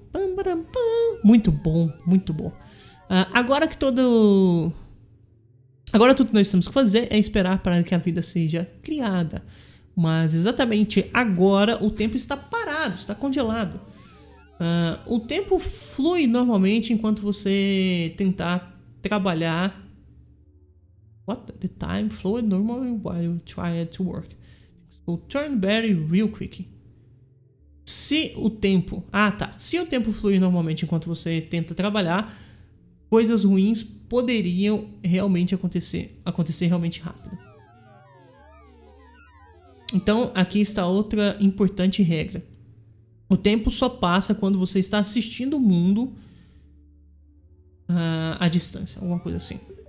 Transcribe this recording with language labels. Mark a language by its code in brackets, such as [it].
[pt] Pam, pam, pam. Muito bom, muito bom. Agora tudo que nós temos que fazer é esperar para que a vida seja criada. Mas exatamente agora o tempo está parado, está congelado. O tempo flui normalmente enquanto você tentar trabalhar. [en] What? The time flowed normally while you tried to work. So turn battery real quick. [pt] Se o tempo... Ah, tá. Se o tempo fluir normalmente enquanto você tenta trabalhar, coisas ruins poderiam realmente acontecer realmente rápido. Então, aqui está outra importante regra. O tempo só passa quando você está assistindo o mundo à distância, alguma coisa assim.